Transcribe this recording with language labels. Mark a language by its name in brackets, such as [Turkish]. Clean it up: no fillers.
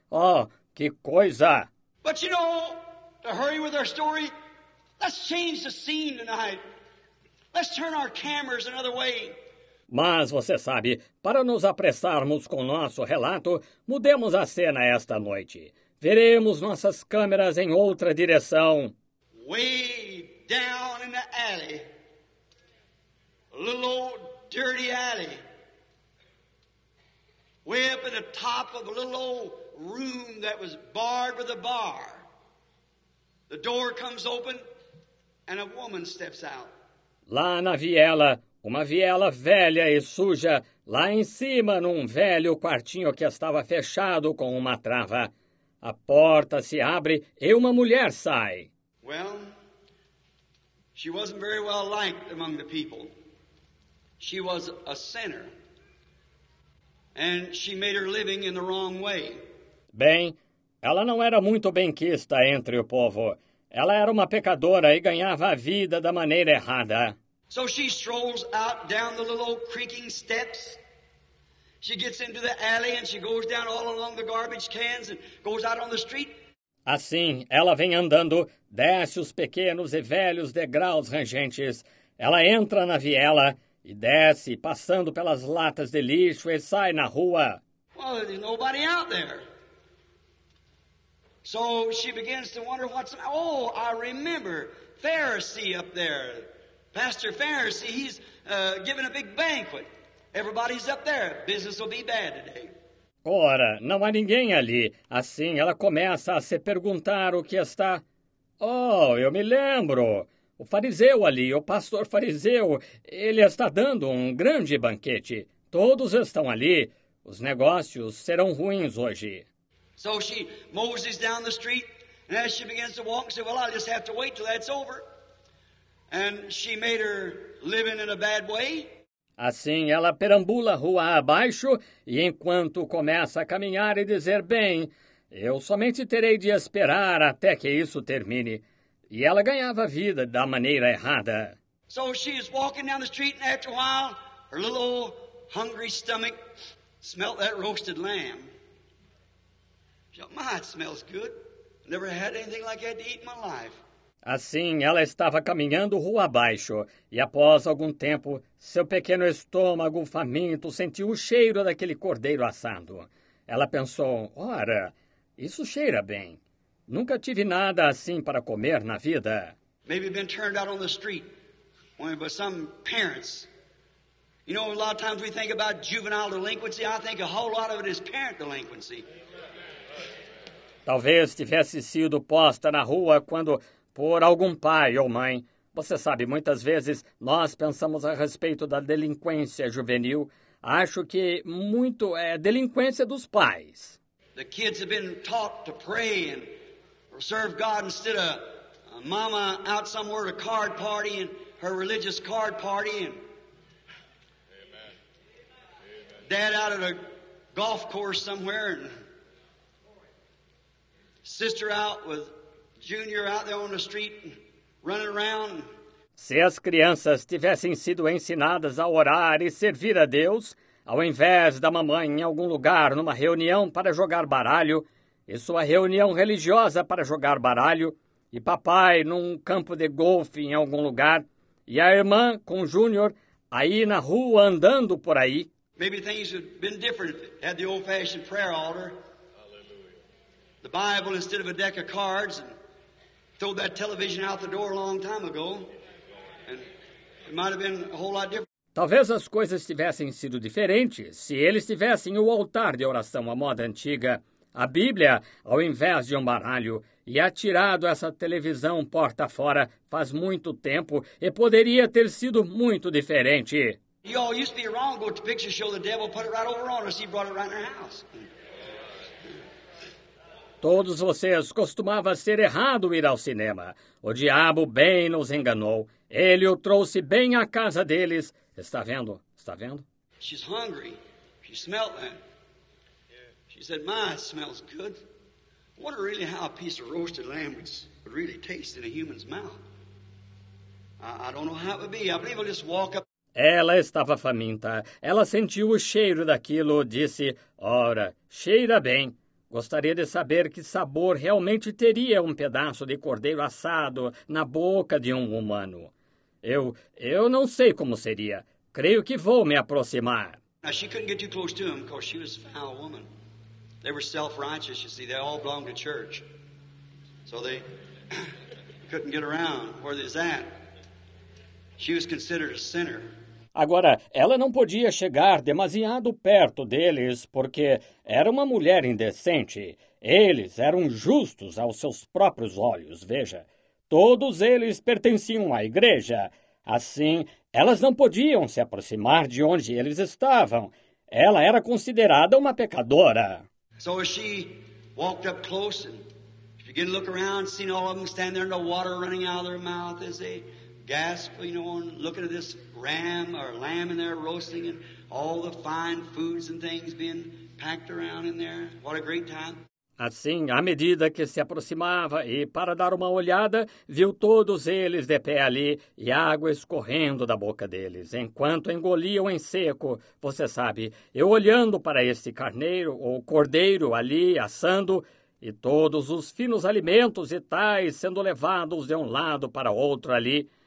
[Portuguese] Oh, que coisa! [English] But you know, to hurry with our story, let's change the scene tonight. Let's turn our cameras another way. [Portuguese] Mas você sabe, para nos apressarmos com nosso relato, mudemos a cena esta noite. Veremos nossas câmeras em outra direção. [English] Way down in the alley. Little old dirty alley. Way up at the top of a little old room that was barred with a bar. The door comes open and a woman steps out. [Portuguese] Lá na viela, uma viela velha e suja, lá em cima num velho quartinho que estava fechado com uma trava. A porta se abre e uma mulher sai. [English] Well, she wasn't very well liked among the people. She was a sinner. And she made her living in the wrong way. [Portuguese] Bem, ela não era muito bem-quista entre o povo. Ela era uma pecadora e ganhava a vida da maneira errada. [English] So she strolls out down the little creaking steps. She gets into the alley and she goes down all along the garbage cans and goes out on the street. [Portuguese] Assim, ela vem andando, desce os pequenos e velhos degraus rangentes. Ela entra na viela e desce, passando pelas latas de lixo, e sai na rua. [English] Well, there's nobody out there. So she begins to wonder what's... Oh, I remember, Pharisee up there. Pastor Pharisee, he's giving a big banquet. Everybody's up there. Business will be bad today. [Portuguese] Ora, não há ninguém ali. Assim, ela começa a se perguntar o que está... Oh, eu me lembro... O fariseu ali, o pastor fariseu, ele está dando um grande banquete. Todos estão ali. Os negócios serão ruins hoje. [English] So she moseys down the street, and as she begins to walk, she said, well, I'll just have to wait till that's over. And she made her living in a bad way. [Portuguese] Assim, ela perambula rua abaixo, e enquanto começa a caminhar e dizer, bem, eu somente terei de esperar até que isso termine. E ela ganhava a vida da maneira errada. [English] So she is walking down the street and after a while, her little old hungry stomach smelled that roasted lamb. She said, my, it smells good. Never had anything like that to eat in my life. [Portuguese] Assim, ela estava caminhando rua abaixo. E após algum tempo, seu pequeno estômago faminto sentiu o cheiro daquele cordeiro assado. Ela pensou, ora, isso cheira bem. Nunca tive nada assim para comer na vida. [English] Maybe been turned out on the street by some parents. You know, a lot of times we think about juvenile delinquency. I think a whole lot of it is parent delinquency. [Portuguese] Talvez tivesse sido posta na rua quando por algum pai ou mãe. Você sabe, muitas vezes nós pensamos a respeito da delinquência juvenil. Acho que muito é delinquência dos pais. [English] The kids have been taught to pray and serve God instead of a mama out somewhere at a card party and her religious card party and Amen. Dad out at a golf course somewhere and sister out with junior out there on the street running around. [Portuguese] Se as crianças tivessem sido ensinadas a orar e servir a Deus, ao invés da mamãe em algum lugar numa reunião para jogar baralho, e sua reunião religiosa para jogar baralho, e papai num campo de golfe em algum lugar, e a irmã com o Júnior aí na rua andando por aí. [English] Maybe things would have been different at the old-fashioned prayer altar. Hallelujah. The Bible instead of a deck of cards and throw that television out the door a long time ago. It might have been a whole lot different. [Portuguese] Talvez as coisas tivessem sido diferentes se eles tivessem o altar de oração à moda antiga, a Bíblia ao invés de um baralho, e atirado essa televisão porta fora faz muito tempo, e poderia ter sido muito diferente. [English] You all used to be wrong, go to the picture show, the devil put it right over on us, he brought it right in our house. [Portuguese] Todos vocês costumava ser errado ir ao cinema. O diabo bem nos enganou. Ele o trouxe bem à casa deles. Está vendo? Está vendo? [English] She's hungry. She smelled that. She said, "My, it smells good. I wonder really how a piece of roasted lamb would really taste in a human's mouth. I don't know how it would be. I believe I'll just walk up." [Portuguese] Ela estava faminta. Ela sentiu o cheiro daquilo. Disse, "Ora, cheira bem. Gostaria de saber que sabor realmente teria um pedaço de cordeiro assado na boca de um humano. Eu não sei como seria. Creio que vou me aproximar." [English] Now she couldn't get too close to him because she was a foul woman. They were self-righteous, you see. They all belonged to church. So they couldn't get around where they was at. She was considered a sinner. [Portuguese] Agora, ela não podia chegar demasiado perto deles, porque era uma mulher indecente. Eles eram justos aos seus próprios olhos, veja. Todos eles pertenciam à igreja. Assim, elas não podiam se aproximar de onde eles estavam. Ela era considerada uma pecadora. [English] So she walked up close and began to look around, seeing all of them standing there in the water running out of their mouth as they gasping, you know, looking at this ram or lamb in there roasting and all the fine foods and things being packed around in there. What a great time. [Portuguese] Assim, à medida que se aproximava e para dar uma olhada, viu todos eles de pé ali e água escorrendo da boca deles, enquanto engoliam em seco, você sabe, eu olhando para este carneiro ou cordeiro ali assando e todos os finos alimentos e tais sendo levados de um lado para outro ali.